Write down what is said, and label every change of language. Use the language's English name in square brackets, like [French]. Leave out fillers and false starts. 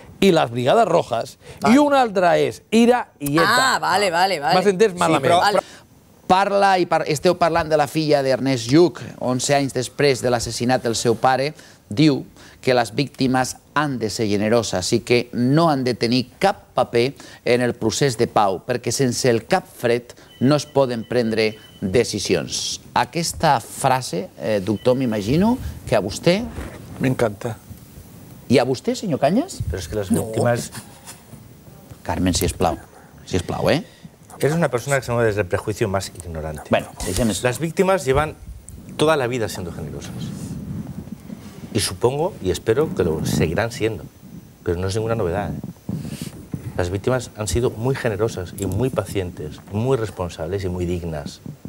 [Spanish] y las Brigadas Rojas, vale. Y una otra es Ira y ETA. Ah, vale, vale, vale. Más entes, más sí, la menos. Vale. [Catalan] Parla i esteu parlant de la filla d'Ernest Lluch, 11 anys després de l'assassinat del seu pare, diu que les víctimes han de ser generoses i que no han de tenir cap paper en el procés de pau, perquè sense el cap fred no es poden prendre decisions. Aquesta frase, doctor, m'imagino que a vostè... M'encanta. I a vostè, senyor Cañas? Però és que les víctimes... No. Carmen, sisplau. Sisplau, eh? [Spanish] Eres una persona que se mueve desde el prejuicio más ignorante. Bueno, déjeme. Las víctimas llevan toda la vida siendo generosas. Y supongo y espero que lo seguirán siendo. Pero no es ninguna novedad, ¿eh? Las víctimas han sido muy generosas y muy pacientes, muy responsables y muy dignas.